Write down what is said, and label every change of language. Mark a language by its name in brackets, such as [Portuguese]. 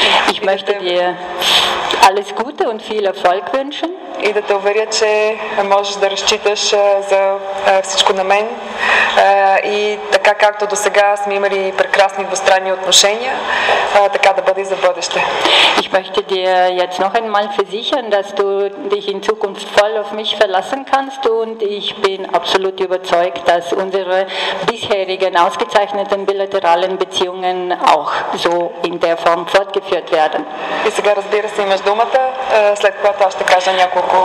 [German] Ich möchte dir alles Gute und viel Erfolg wünschen. [Bulgarian] И да те уверя, че можеш да разчиташ за всичко на мен. И така както до сега сме имали прекрасни двустранни отношения, така да бъде и за бъдеще. [German] Ich möchte dir jetzt noch einmal versichern, dass du dich in Zukunft voll auf mich verlassen kannst und ich bin absolut überzeugt, dass unsere bisherigen ausgezeichneten bilateralen Beziehungen auch so in der Form fortgeführt werden. [Bulgarian] И сега разбира се имаш думата, след което аз ще кажа някои.